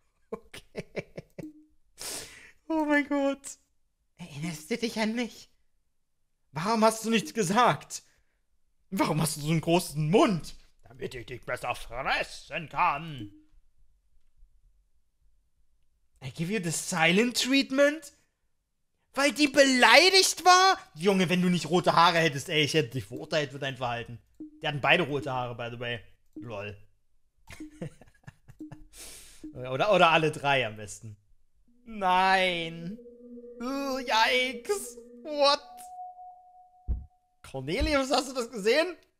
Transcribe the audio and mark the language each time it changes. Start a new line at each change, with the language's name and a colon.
German: Okay. Oh mein Gott. Erinnerst du dich an mich? Warum hast du nichts gesagt? Warum hast du so einen großen Mund? Damit ich dich besser fressen kann.
English: I give you the silent treatment?
German: Weil die beleidigt war? Junge, wenn du nicht rote Haare hättest, ey, ich hätte dich verurteilt für dein Verhalten. Die hatten beide rote Haare,
English: by the way. Lol.
German: Oder alle drei am besten. Nein.
English: Yikes. What?
German: Cornelius, hast du das gesehen?